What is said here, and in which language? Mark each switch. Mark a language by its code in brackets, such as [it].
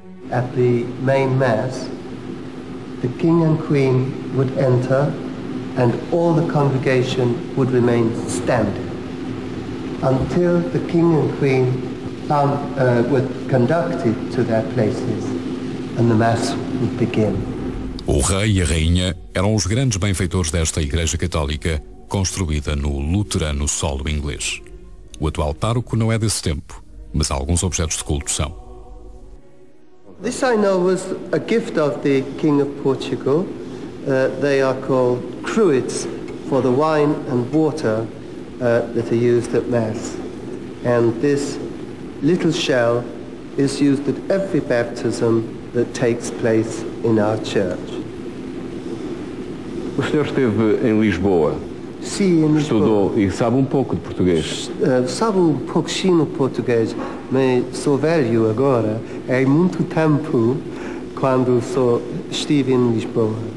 [en] At the main mass, the king and queen would enter and all the congregation would remain standing until the king and queen were conducted to their places and the mass would begin. [pt] O rei e a rainha eram os grandes benfeitores desta igreja católica construída no luterano solo inglês. O atual pároco não é desse tempo, mas alguns objetos de culto são. [en] This I know was a gift of the King of Portugal. They are called cruets for the wine and water that are used at Mass. And this little shell is used at every baptism that takes place in our church. [pt] O senhor esteve em Lisboa? Sim, em Lisboa. Estudou e sabe um pouco de português? Sabe um pouquinho de português, mas sou velho agora. É muito tempo quando estive em Lisboa.